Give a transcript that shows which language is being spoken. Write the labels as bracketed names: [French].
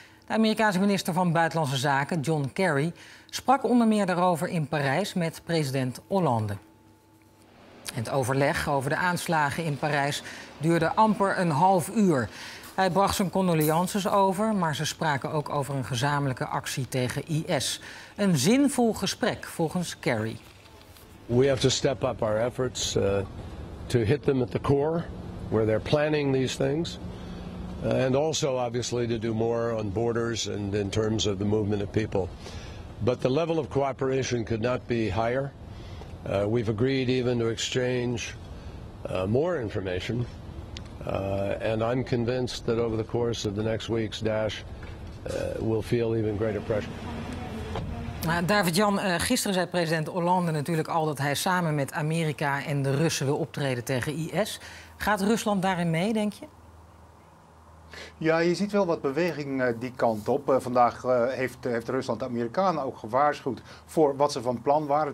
[Dutch] De Amerikaanse minister van Buitenlandse Zaken, John Kerry, sprak onder meer daarover in Parijs met president Hollande. Het overleg over de aanslagen in Parijs duurde amper een half uur. Hij bracht zijn condolences over, maar ze spraken ook over een gezamenlijke actie tegen IS. Een zinvol gesprek volgens Kerry. [English] We have to step up our efforts to hit them at the core where they're planning these things. And also obviously to do more on borders and in terms of the movement of people. But the level of cooperation could not be higher. We've agreed even to exchange more information. And I'm convinced that over the course of the next week's dash, we'll feel even greater pressure. [Dutch] David-Jan, gisteren zei president Hollande natuurlijk al dat hij samen met Amerika en de Russen wil optreden tegen IS. Gaat Rusland daarin mee, denk je? Ja, je ziet wel wat beweging die kant op. Vandaag heeft Rusland de Amerikanen ook gewaarschuwd voor wat ze van plan waren.